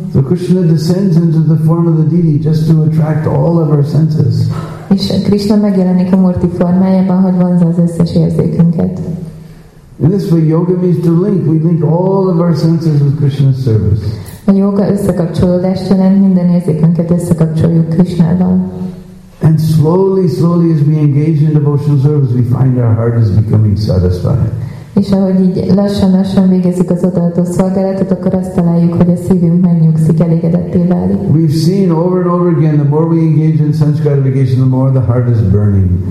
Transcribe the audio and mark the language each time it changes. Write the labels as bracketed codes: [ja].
[en] So Krishna descends into the form of the deity just to attract all of our senses. [hu] És Krishna megjelenik a Murti formájában, hogy vonzza az összes érzékünket. [en] In this way, yoga means to link. We link all of our senses with Krishna's service. [hu] A yoga összekapcsolódást jelent, minden érzékünket összekapcsoljuk Krishnával. [en] And slowly, slowly, as we engage in devotional service, we find our heart is becoming satisfied. [hu] És ahogy így lassan-lassan végezik az odaadó szolgálatot, akkor azt találjuk, hogy a szívünk megnyugszik, elégedetté válik. [en] We've seen over and over again, the more we engage in sense gratification, the more the heart is burning.